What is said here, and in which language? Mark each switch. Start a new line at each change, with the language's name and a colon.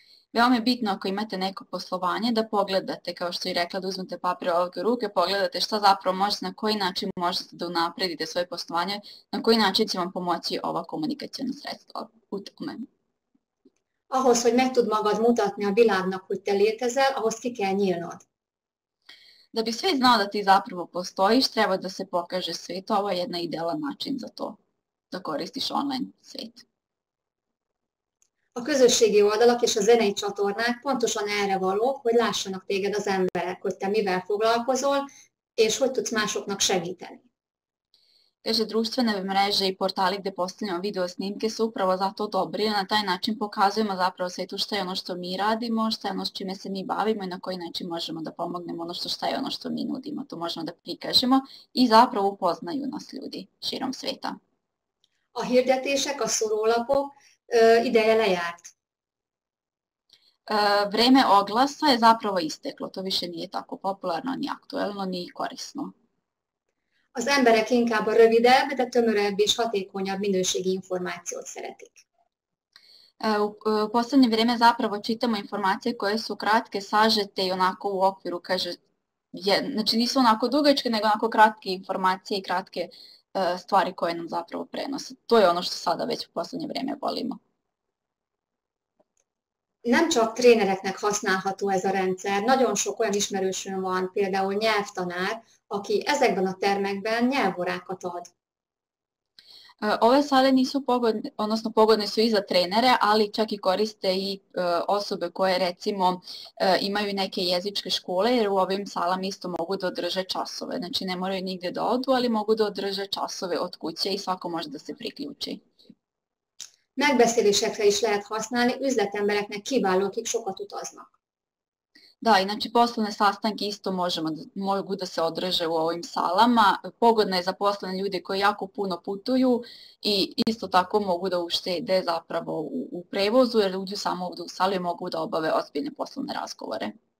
Serbian: Veoma je bitno ako imate neko poslovanje da pogledate, kao što je rekla, da uzmete papir ovog ruke, pogledate šta zapravo možete, na koji način možete da unapredite svoje poslovanje, na koji način će vam pomoći ova komunikacijona sredstva u tome.
Hungarian: Ahhoz, hogy meg tud magad mutatni a világnak, hogy te létezel, ahhoz ki kell nyílnod.
Serbian: Da bi svet znao da ti zapravo postojiš, treba da se pokaže svet, ovo je jedna idealan način za to, da koristiš online svet.
Hungarian: A közösségi oldalak és a zenei csatornák pontosan erre való, hogy lássanak téged az emberek, hogy te mivel foglalkozol, és hogy tudsz másoknak segíteni.
Serbian: Kaže, društvene mreže i portali gde postavljamo video snimke su upravo zato dobri, na taj način pokazujemo zapravo svetu šta je ono što mi radimo, šta je ono s čime se mi bavimo i na koji način možemo da pomognemo ono što šta je ono što mi nudimo. To možemo da prikažemo i zapravo upoznaju nas ljudi širom sveta.
Hungarian: A hirdetések, a szórólapok, ideje lejárt.
Serbian: Vreme oglasa je zapravo isteklo, to više nije tako popularno, ni aktuelno, ni korisno.
Hungarian: Az emberek inkább a rövidebb, de tömörebb és hatékonyabb minőségi információt szeretik.
Serbian: U posljednje vrijeme zapravo čitamo informacije koje su kratke, sažete i onako u okviru, kaže, znači nisu onako dugačke, nego onako kratke informacije i kratke stvari koje nam zapravo prenose. To je ono što sada već u posljednje vrijeme volimo.
Hungarian: Nem csak trénereknek használható ez a rendszer, nagyon sok olyan ismerősöm van, például nyelvtanár, aki ezekben a termekben nyelvórákat ad.
Serbian: Ove sale nisu pogodne, odnosno pogodne su i za trenere, ali čak i koriste i osobe koje recimo imaju neke jezičke škole, jer u ovim salama isto mogu da održe časove. Znači ne moraju nigde da odu, ali mogu da održe časove od kuće i svako može da se priključi.
Hungarian: Megbeszélésekre is lehet használni, üzletembereknek kiváló, akik sokat utaznak.
Serbian: Da, inače poslovne sastanke isto mogu da se održe u ovim salama. Pogodno je za poslovne ljude koji jako puno putuju i isto tako mogu da uštede zapravo u prevozu, jer ljudi samo ovdje u sali mogu da obave ozbiljne poslovne razgovore.